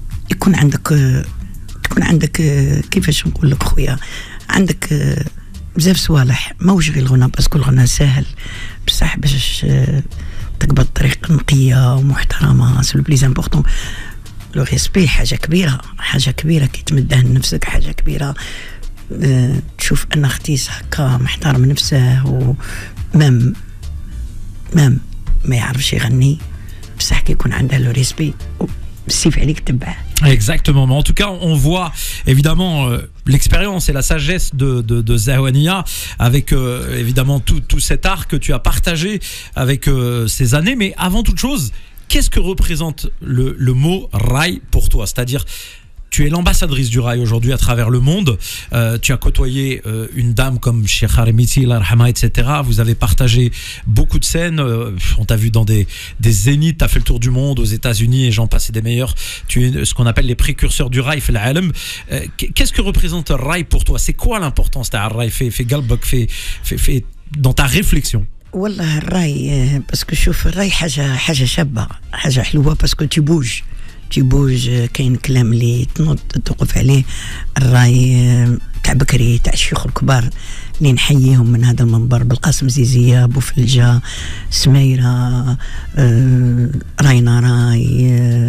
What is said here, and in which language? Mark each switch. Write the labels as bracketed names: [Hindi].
[Arabic] يكون عندك كون عندك كيفاش نقول لك خويا عندك بزاف صوالح ماهوش غير الغنى باسكو الغنى ساهل بصح باش تقبض طريق نقيه ومحترمه [French] سو لو بليز امبورطون لو ريسبي [Arabic] حاجه كبيره حاجه كبيره كي تمدها لنفسك حاجه كبيره تشوف ان اختيس هكا محترم نفسه ومام تمام ما يعرفش يغني بصح كيكون عنده لو ريسبي سيف عليك تبع. [French] Exactement, mais en tout cas on voit évidemment l'expérience et la sagesse de Zawania avec évidemment tout cet art que tu as partagé avec ces années. Mais avant toute chose, qu'est-ce que représente le mot Rai pour toi? C'est-à-dire, tu es l'ambassadrice du Rai aujourd'hui à travers le monde. Tu as côtoyé une dame comme Cheikh Harimiti, l'Arhama, etc. Vous avez partagé beaucoup de scènes. On t'a vu dans des zéniths, tu as fait le tour du monde aux États-Unis et j'en passais des meilleurs. Tu es ce qu'on appelle les précurseurs du Rai, fait l'alem. Qu'est-ce que représente le Rai pour toi? C'est quoi l'importance de Rai fait Galbok, fait dans ta réflexion? [Arabic] والله الراي بس كشوف الراي حاجة شابة حاجة حلوة بس كتبوج تبوج كين كلام لي تنط توقف عليه الراي تاع بكري تاع الشيوخ الكبار اللي نحييهم من هذا المنبر بالقاسم زيزية بوفلجة سميرة راينا راي